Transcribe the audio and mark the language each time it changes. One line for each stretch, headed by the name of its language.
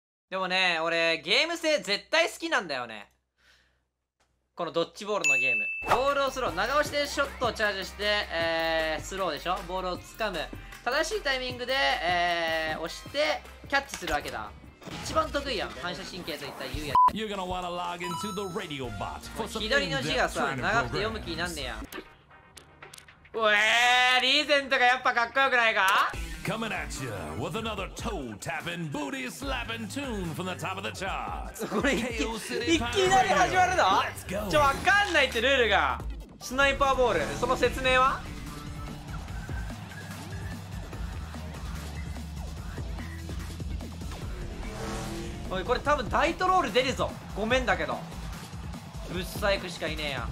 Japanese: でもね、俺ゲーム性絶対好きなんだよね。このドッジボールのゲーム、ボールをスロー、長押しでショットをチャージして、スローでしょ、ボールをつかむ正しいタイミングで、押してキャッチするわけだ。一番得意やん、反射神経といったユウヤ。
English: You're gonna wanna log into the radio bot for some in-depth training program.
Japanese: 左の字がさ、長くて読む気になんねやん。うえー、リーゼントがやっぱかっこよくないか。
English: Coming at ya with another toe tapping booty slapping tune from the top of the charts.
Japanese: これいきなり始まるの？ちょ、わかんないってルールが。スナイパーボール、その説明は？おい、これ多分ダイトロール出るぞ。ごめんだけど。ブッサイクしかいねえや。